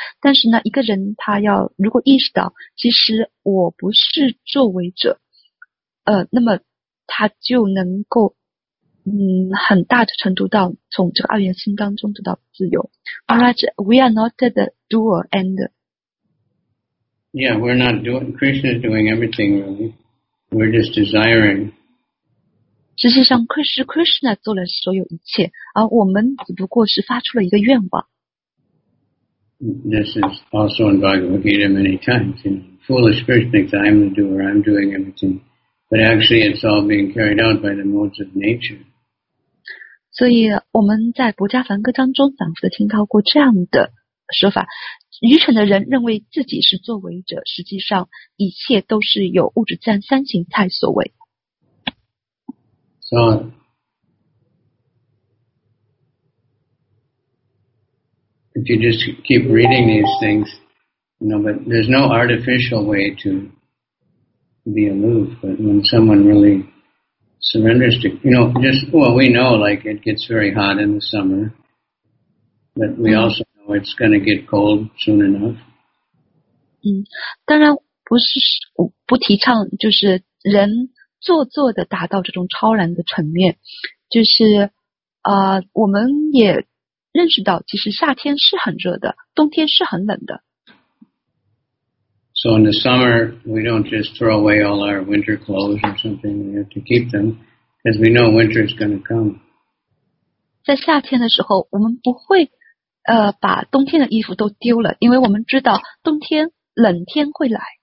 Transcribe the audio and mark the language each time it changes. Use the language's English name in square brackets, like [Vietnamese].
[Chinese] 但是呢一个人他要如果意识到其实我不是作为者那么他就能够很大的程度到从这个二元性当中得到自由。 [English] Alright, we are not the doer and Yeah, we're not doing, Krishna is doing everything really. We're just desiring. [Chinese] 实际上 Krishna 做了所有一切，而我们只不过是发出了一个愿望。 [English] This is also in Bhagavad Gita many times. You know, foolish person thinks I'm the doer, I'm doing everything. But actually it's all being carried out by the modes of nature. [Chinese] 所以我们在薄伽梵歌当中反复地听到过这样的说法，愚蠢的人认为自己是作为者，实际上一切都是由物质自然三形态所为。 [English] So, if you just keep reading these things, you know, but there's no artificial way to be aloof, but when someone really surrenders to, you know, just, well, we know, like, it gets very hot in the summer, but we also,It's going to get cold soon enough. [Chinese] 当然不是不提倡就是人做作的达到这种超然的层面，就是我们也认识到其实夏天是很热的，冬天是很冷的。 [English] So in the summer, we don't just throw away all our winter clothes or something. We have to keep them because we know winter is going to come. [Chinese] 在夏天的时候，我们不会把冬天的衣服都丢了，因为我们知道冬天冷天会来。